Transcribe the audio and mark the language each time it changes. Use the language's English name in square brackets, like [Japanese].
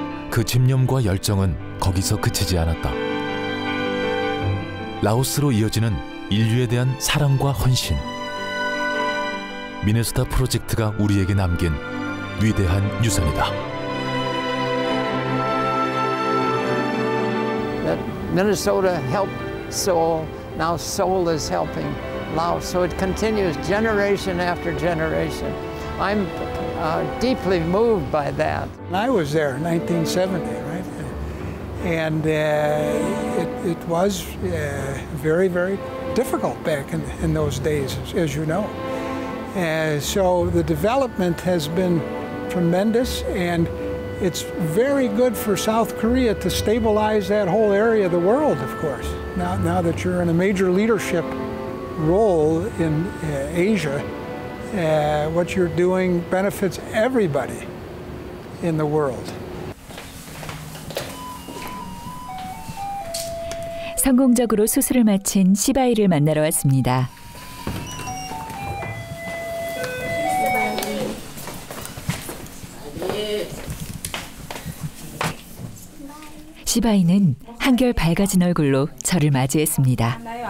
[Korean] 그 집념과 열정은 거기서 그치지 않았다. 라오스로 이어지는 인류에 대한 사랑과 헌신. 미네소타 프로젝트가 우리에게 남긴 위대한 유산이다. [English] That Minnesota helped Seoul, now Seoul is helping Laos. So it continues generation after generation. I'm deeply moved by that. I was there in 1970, right? And it was very, very difficult back in those days, as you know. So the development has been tremendous, and it's very good for South Korea to stabilize that whole area of the world, of course. Now that you're in a major leadership role in Asia, what you're doing benefits everybody in the world. [Korean] 성공적으로 수술을 마친 시바이를 만나러 왔습니다. 시바이는 한결 밝아진 얼굴로 저를 맞이했습니다.